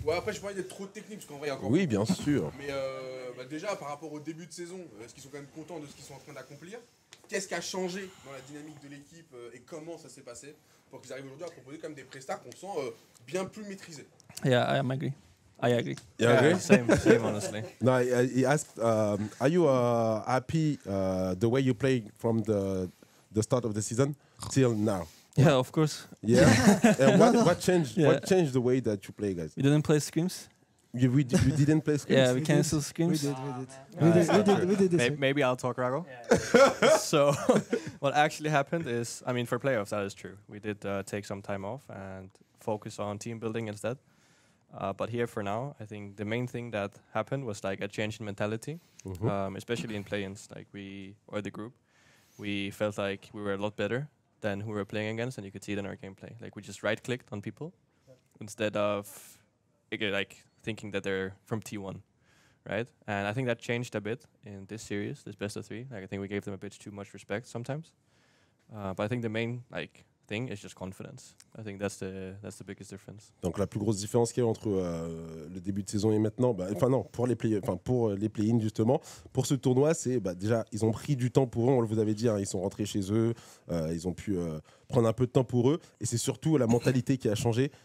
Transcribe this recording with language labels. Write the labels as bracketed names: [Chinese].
[French] Ouais, après, je parlais d'être trop technique, parce qu'en vrai, il y a encore... Oui, bien sûr. Mais déjà, par rapport au début de saison, est-ce qu'ils sont quand même contents de ce qu'ils sont en train d'accomplir ? Qu'est-ce qui a changé dans la dynamique de l'équipe et comment ça s'est passé pour qu'ils arrivent aujourd'hui à proposer quand même des prestats qu'on sent bien plus maîtrisés ? [English] Yeah, I agree. You agree? Same, honestly. No, he asked, are you happy the way you play from the start of the season till now? Yeah, of course. Yeah. And what changed? Yeah. What changed the way that you play, guys? We didn't play scrims. We didn't play scrims. Yeah, we canceled scrims. We did. Maybe I'll talk, Rago. Yeah. So, what actually happened is, I mean, for playoffs, that is true. We did take some time off and focus on team building instead. But here for now, I think the main thing that happened was like a change in mentality, especially in play-ins. Like we or the group, we felt like we were a lot better than who we're playing against, and you could see it in our gameplay. Like, we just right-clicked on people instead of, like, thinking that they're from T1, right? And I think that changed a bit in this series, this best of three. Like, I think we gave them a bit too much respect sometimes. But I think the main, like, thing is just confidence. I think that's the biggest difference. [French] Donc, la plus grosse différence qu'il y a entre le début de saison et maintenant, enfin non, pour les play-in justement, pour ce tournoi, c'est déjà, ils ont pris du temps pour eux, on vous avait dit, hein, ils sont rentrés chez eux, ils ont pu prendre un peu de temps pour eux, et c'est surtout la mentalité qui a changé.